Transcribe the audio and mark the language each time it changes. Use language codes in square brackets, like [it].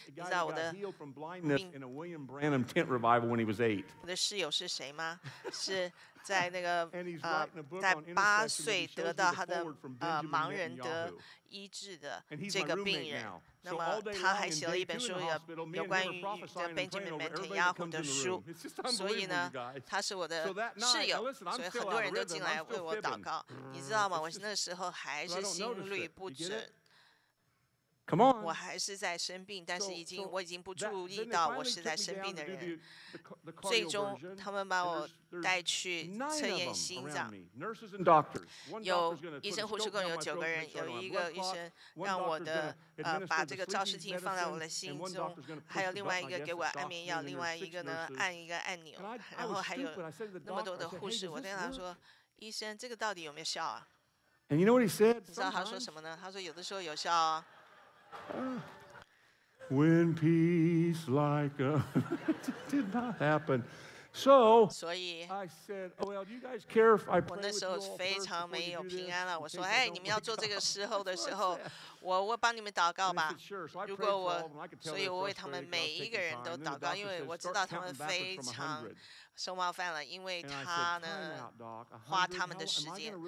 [en] The guy who got healed from blindness in a William Branham tent revival when he was eight. [zh] 我的室友是谁吗？是在那个在八岁得到他的盲人得医治的这个病人。那么他还写了一本书，有关于的 Benjamin Netanyahu 的书。所以呢，他是我的室友，所以很多人都进来为我祷告。你知道吗？我那时候还是心律不整。 [en] Come on. [zh] 我还是在生病，但是我已经不注意到我是在生病的人。最终，他们把我带去测验心脏。有医生、护士，共有九个人。有一个医生让我的把这个照射镜放在我的心中，还有另外一个给我安眠药，另外一个呢按一个按钮，然后还有那么多的护士。我对他说：“医生，这个到底有没有效啊？” [en] And you know what he said? [zh] 你知道他说什么呢？他说：“有的时候有效啊。” [en] When peace like a did not happen, so I said, "Well, do you guys care if I pray?" [zh] 我那时候非常没有平安了。我说：“哎，你们要做这个时候的时候，我帮你们祷告吧。如果我，所以我为他们每一个人都祷告，因为我知道他们非常受冒犯了，因为他呢花他们的时间。